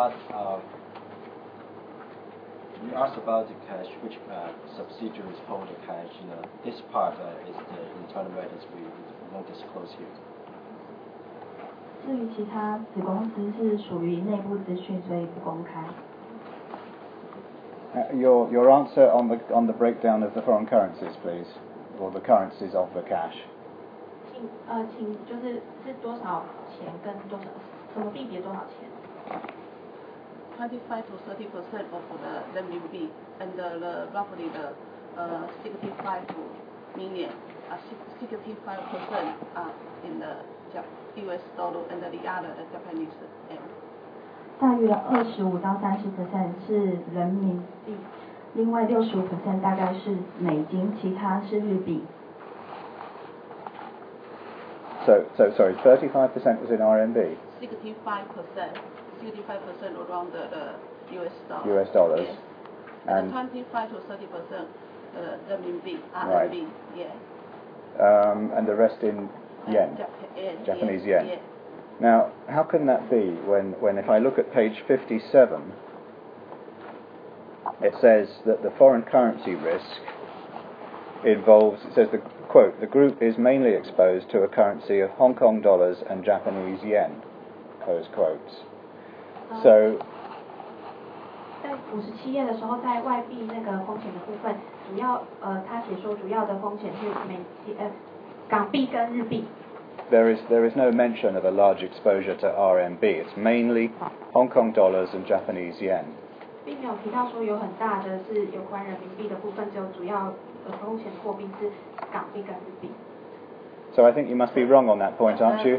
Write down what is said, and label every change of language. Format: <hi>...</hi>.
<en>You asked about the cash, which subsidiaries hold the cash. You know, this part is the internal matters we won't disclose here.</en> <zh>至于其他子公司是属于内部资讯，所以不公开。</zh> <en>Your answer on the breakdown of the foreign currencies, please, or the currencies of the cash.</en> <zh>请就是多少钱跟多少什么币别多少钱？</zh> <en>25 to 30% of the renminbi and roughly the 65 million, 65% are in the US dollar and the other the Japanese yen.</en> <zh>大约25 to 30% 是人民币，另外65% 大概是美金，其他是日币。</zh> <en>So sorry, 35% was in RMB. 65%. 35% around the US dollar. US dollars. Yes. And 25 to 30% renminbi, RMB. Right. Yeah. And the rest in yen. Japanese yen. Yeah. Now, how can that be? When if I look at page 57, it says that the foreign currency risk involves. It says the quote: the group is mainly exposed to a currency of Hong Kong dollars and Japanese yen. Close quotes. So,</en> <zh>在57页的时候，在外币那个风险的部分，主要他写说主要的风险是港币跟日币。</zh> <en>there is no mention of a large exposure to RMB. It's mainly Hong Kong dollars and Japanese yen.</en> <zh>并没有提到说有很大的是有关人民币的部分，就主要目前货币是港币跟日币。</zh> <en>So I think you must be wrong on that point, aren't you?</en>